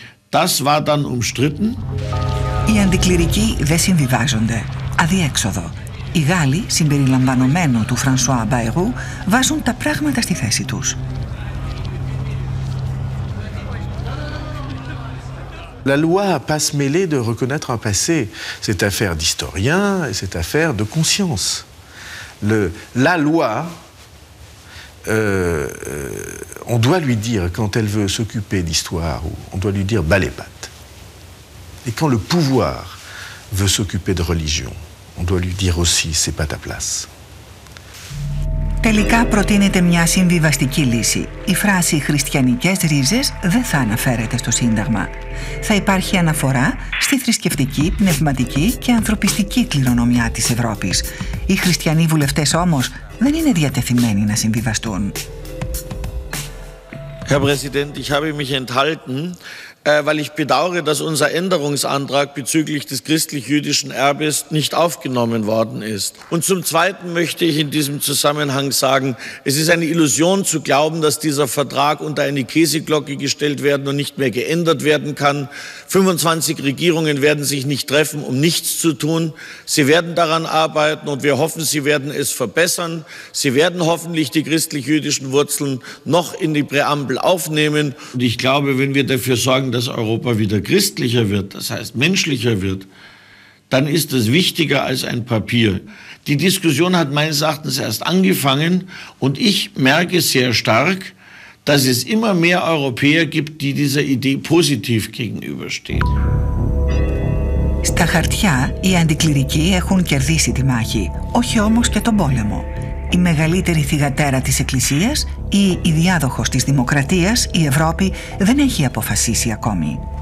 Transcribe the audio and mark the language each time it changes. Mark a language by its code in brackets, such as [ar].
[de] Das war dann umstritten. [el] Οι αντικληρικοί δεν συμβιβάζονται. Αδιέξοδο. Οι Γάλλοι, συμπεριλαμβανομένου του Φρανσουά Μπαϊρού, βάζουν τα πράγματα στη θέση τους. [fr] La loi a pas se mêlé de reconnaître un passé. C'est affaire d'historien et c'est affaire de conscience. La loi, on doit lui dire quand elle veut s'occuper d'histoire, on doit lui dire bas les pattes. Et quand le pouvoir veut s'occuper de religion, on doit lui dire aussi c'est pas ta place. [el] Τελικά προτείνεται μια συμβιβαστική λύση. Η φράση «χριστιανικές ρίζες» δεν θα αναφέρεται στο Σύνταγμα. Θα υπάρχει αναφορά στη θρησκευτική, πνευματική και ανθρωπιστική κληρονομιά της Ευρώπης. Οι χριστιανοί βουλευτές όμως δεν είναι διατεθειμένοι να συμβιβαστούν. [de] Herr Präsident, ich habe mich enthalten, weil ich bedauere, dass unser Änderungsantrag bezüglich des christlich-jüdischen Erbes nicht aufgenommen worden ist. Und zum Zweiten möchte ich in diesem Zusammenhang sagen, es ist eine Illusion zu glauben, dass dieser Vertrag unter eine Käseglocke gestellt werden und nicht mehr geändert werden kann. 25 Regierungen werden sich nicht treffen, um nichts zu tun. Sie werden daran arbeiten und wir hoffen, sie werden es verbessern. Sie werden hoffentlich die christlich-jüdischen Wurzeln noch in die Präambel aufnehmen. Und ich glaube, wenn wir dafür sorgen, dass Europa wieder christlicher wird, das heißt menschlicher wird, dann ist das wichtiger als ein Papier. Die Diskussion hat meines Erachtens erst angefangen und ich merke sehr stark, dass es immer mehr Europäer gibt, die dieser Idee positiv gegenüberstehen. [el] Στα χαρτιά, οι αντικληρικοί έχουν κερδίσει τη μάχη, όχι όμως και τον πόλεμο. Η μεγαλύτερη θυγατέρα της Εκκλησίας ή η διάδοχος της Δημοκρατίας, η Ευρώπη, δεν έχει αποφασίσει ακόμη.